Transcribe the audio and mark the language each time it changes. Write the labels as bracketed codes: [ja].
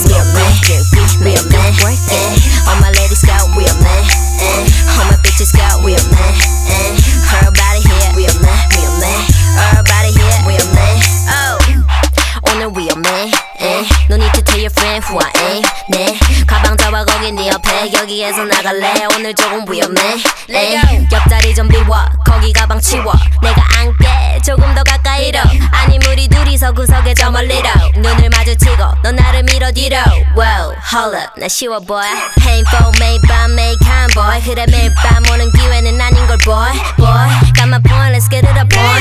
[en] We a man, drink, bitch, we a man. All my ladies, girl, we a man. All my bitches, girl, we a man. Everybody here, we a man, we a man. Everybody here, we a man. Oh, [ko] 오늘 [en] we a man. No need to tell your friend who I am. [ko] 네 가방 잡아 거기 네 옆에 여기에서 나갈래. 오늘 조금 위험해. 네 옆자리 좀 비워 거기 가방 치워 내가 앉게 조금 더 가까이로. 아니 우리 둘이서 구석에 저 멀리로 눈을 마주치고 너 나를 밀어 뒤로. [en] Whoa, hold up, [ko] 나 쉬워 [en] boy. Painful, [ko] 매일 밤 매일 [en] calm boy. [ko] 그래 매일 밤 오는 기회는 아닌 걸 boy. [en] Boy, got my point, let's get it up, boy.